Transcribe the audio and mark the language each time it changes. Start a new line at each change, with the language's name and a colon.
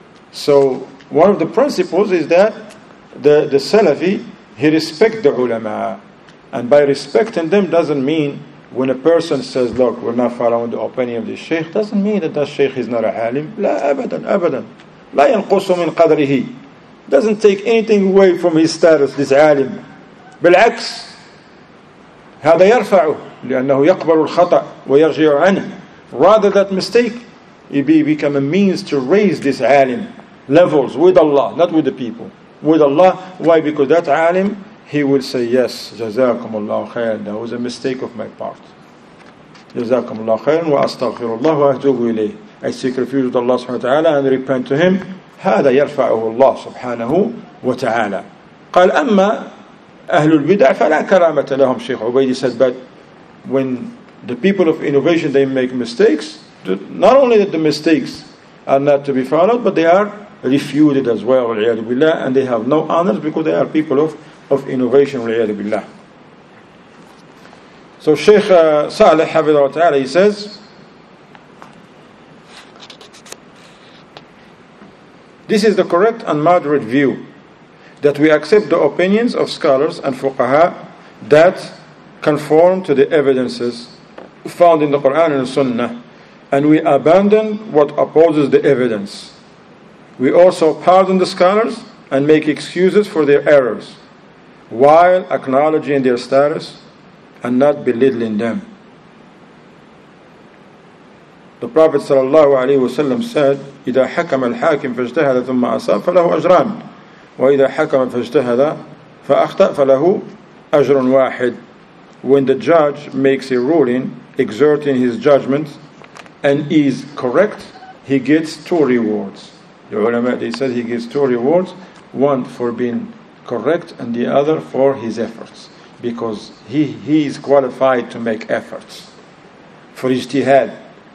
English: So, one of the principles is that the Salafi, he respect the ulama. And by respecting them doesn't mean when a person says, look, we're not following the opinion of the Shaykh, doesn't mean that that Shaykh is not a alim.
Arabic: La abadan, abadan. La yanqusu min qadrihi.
English: Doesn't take anything away from his status, this alim.
Arabic: بالعكس هذا يرفعه لأنه يقبل الخطأ ويرجع عنه.
English: Rather that mistake, it become a means to raise this alim levels with Allah, not with the people. With Allah, why? Because that alim, he will say, yes,
Arabic: جزاكم الله خير.
English: That was a mistake of my part.
Arabic: جزاكم الله خير وأستغفر الله وأتوب إليه.
English: I seek refuge with Allah
Arabic: سبحانه وتعالى
English: and repent to Him.
Arabic: هذا يرفعه الله سبحانه وتعالى. قال أما أهل البدع فلا كرامة لهم.
English: شيخ عبيدي said, but when the people of innovation, they make mistakes, not only that the mistakes are not to be followed, but they are refuted as well,
Arabic: وَالْعِيَادُ بِاللَّهِ,
English: and they have no honors because they are people of innovation, وَالْعِيَادُ بِاللَّهِ. So Shaykh Saleh,
Arabic: حفظه الله تعالى,
English: he says, this is the correct and moderate view, that we accept the opinions of scholars and fuqaha that conform to the evidences found in the Quran and the Sunnah, and we abandon what opposes the evidence. We also pardon the scholars and make excuses for their errors while acknowledging their status and not belittling them. The Prophet sallallahu alaihi wasallam said,
Arabic: إِذَا حَكَمَ الْحَاكِمْ فَاجْتَهَدَ ثُمَّ أَصَابَ فَلَهُ أَجْرًا وَإِذَا حَكَمَ فَاجْتَهَدَ فَأَخْطَأَ فَلَهُ أَجْرٌ وَاحِدٌ.
English: When the judge makes a ruling, exerting his judgment, and is correct, he gets two rewards. The ulama, they said he gets two rewards, one for being correct and the other for his efforts, because he is qualified to make efforts for ijtihad.